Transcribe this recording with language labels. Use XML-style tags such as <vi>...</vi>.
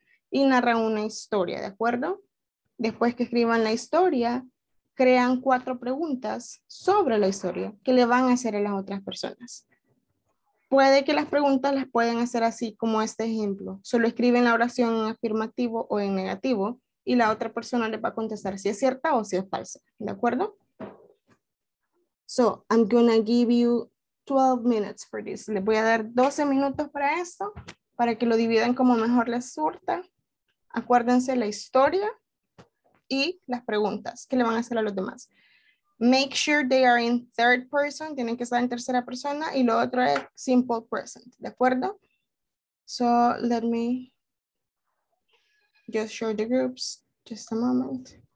<es>Y narran una historia, ¿de acuerdo? Después que escriban la historia, crean cuatro preguntas sobre la historia que le van a hacer a las otras personas. Puede que las preguntas las pueden hacer así como este ejemplo. Solo escriben la oración en afirmativo o en negativo y la otra persona les va a contestar si es cierta o si es falsa. ¿De acuerdo?</es> <en>So, I'm gonna give you 12 minutes for this.</en> <es>Les voy a dar 12 minutos para esto, para que lo dividan como mejor les surta. Acuérdense la historia y las preguntas que le van a hacer a los demás.</es> <en>Make sure they are in third person.</en> <es>Tienen que estar en tercera persona. Y lo otro es</es> <en>simple present.</en> <es>¿De acuerdo?</es> <en>So let me just show the groups. Just a moment.</en>